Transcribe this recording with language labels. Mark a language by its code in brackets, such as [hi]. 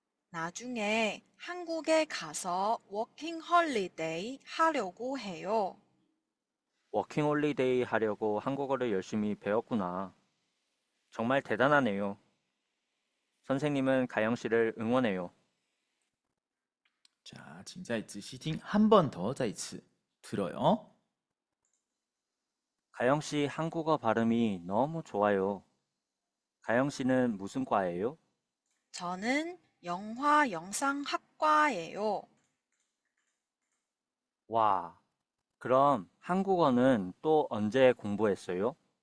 [ko] 나중에 한국에 가서 워킹 홀리데이 하려고 해요. 워킹 홀리데이 하려고 한국어를 열심히 배웠구나. 정말 대단하네요. 선생님은 가영 씨를 응원해요. [zh] 자, 请再仔细听， [ko] 한번더 [zh] 再一次 [ko] 들어요. 가영 씨 한국어 발음이 너무 좋아요. 가영 씨는 무슨 과예요? 저는 영화 영상학과예요. 와, 그럼 한국어는 또 언제 공부했어요?